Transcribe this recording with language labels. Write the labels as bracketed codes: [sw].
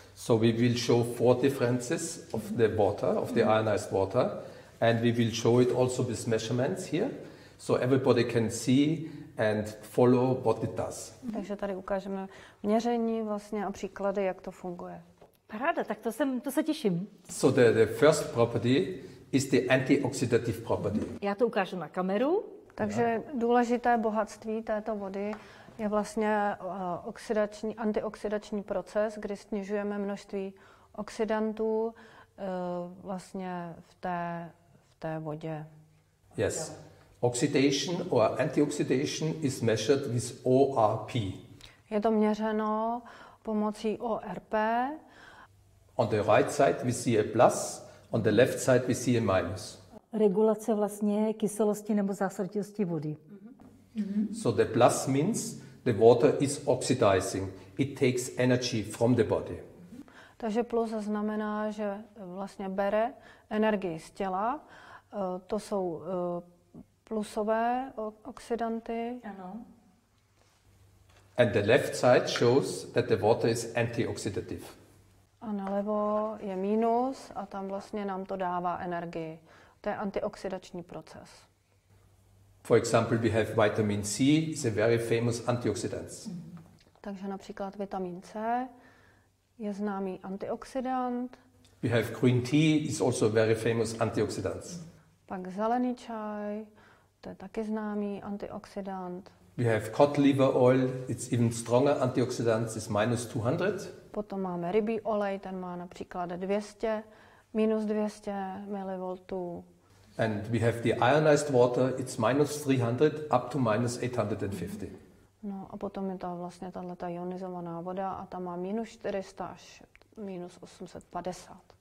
[en] So we will show four differences of the water, of the ionized water, and we will show it also with measurements here, so everybody can see and follow what it does. [cs] Takže tady ukážeme měření vlastně a příklady, jak to funguje. Paráda, tak to se těším. [en] So the first property is the antioxidative property. [cs] Já to ukážu na kameru. Takže důležité bohatství této vody je vlastně oxidační, antioxidační proces, kdy snižujeme množství oxidantů vlastně v té vodě. [en] Yes. Oxidation or antioxidation is measured with ORP. [cs] Je to měřeno pomocí ORP. [en] On the right side we see a plus, on the left side we see a minus. [cs] Regulace vlastně kyselosti nebo zásrtilosti vody. [en] So the plus means the water is oxidizing. It takes energy from the body. [cs] Takže plus znamená, že vlastně bere energii z těla. To jsou plusové oxidanty. Ano. [en] And the left side shows that the water is antioxidative. [cs] A nalevo je minus a tam vlastně nám to dává energii. To je antioxidační proces. [en] For example, we have vitamin C, it's a very famous antioxidant. [cs] Takže například vitamin C je známý antioxidant. [en] We have green tea, it's also a very famous antioxidant. [cs] Pak zelený čaj, to je taky známý antioxidant. [en] We have cod liver oil, it's even stronger antioxidant, it's minus 200. [cs] Potom máme rybí olej, ten má například 200. Minus 200 milivoltů. [en] And we have the ionized water, it's minus 300 up to minus 850. [cs] No a potom je to vlastně tahle ta ionizovaná voda a ta má minus 400 až minus 850.